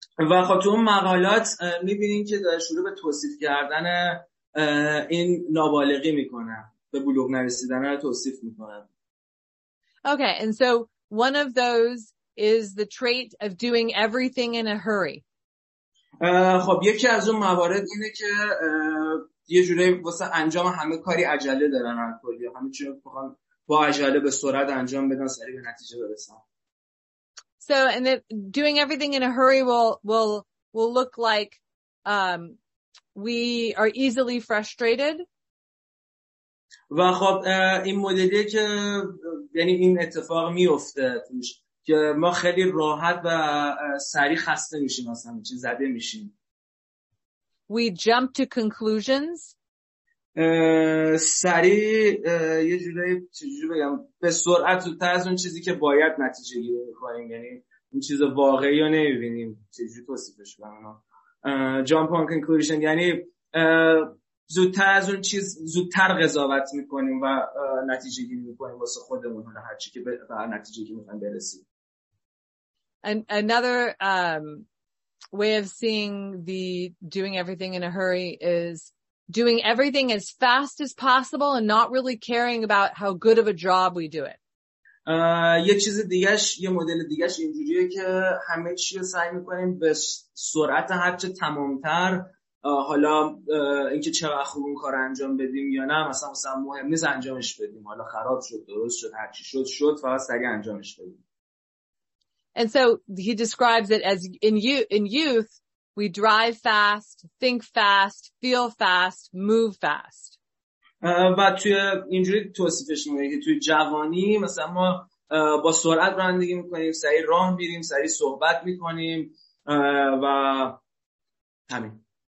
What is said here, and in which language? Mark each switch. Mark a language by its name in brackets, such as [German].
[Persian] و خب تو اون مقالات میبینین که داره شروع به توصیف کردن این نابالغی میکنه، به به بلوغ نرسیدن رو توصیف میکنن. [English] Okay, and so one of those is the trait of doing everything in a hurry. [Persian] خب یکی از اون موارد اینه که یه جوری واسه انجام همه کاری عجله دارن الکلی، همه چی میخوان با عجله به سرعت انجام بدن سریع به نتیجه برسن. [English] So and the, doing everything in a hurry will look like we are easily frustrated. [Persian] و خب این مدلیه که یعنی این اتفاق میفته توش که ما خیلی راحت و سریع خسته میشیم، مثلا چی زده میشیم. [English] We jump to conclusions. [Persian] سریع یه جورایی چجوری بگم به سرعت و تر از اون چیزی که باید نتیجه بگیریم، یعنی این چیز واقعی رو نمیبینیم. چجوری توصیفش کنم؟ [English] Jump on conclusion [Persian] یعنی زودتر از اون چیز زودتر قضاوت میکنیم و نتیجه گیری میکنیم واسه خودمون حالا هر چی که به نتیجه گیری میخوایم برسیم. [English] Another way of seeing the doing everything in a hurry is doing everything as fast as possible and not really caring about how good of a job we do it. [Persian] یه چیز دیگه‌اش، یه مدل دیگه‌اش اینجوریه که همه چی رو سعی میکنیم به سرعت هر چه تمام‌تر، حالا اینکه چقدر خوب اون کار انجام بدیم یا نه مثلا مهم نیست انجامش بدیم، حالا خراب شد درست شد هرچی شد شد فقط سریع انجامش بدیم. [English] And so he describes it as in youth we drive fast, think fast, feel fast, move fast. [Persian] و توی اینجوری توصیفش میگه که توی جوانی مثلا ما با سرعت رانندگی میکنیم، سریع راه میریم، سریع صحبت میکنیم و همین.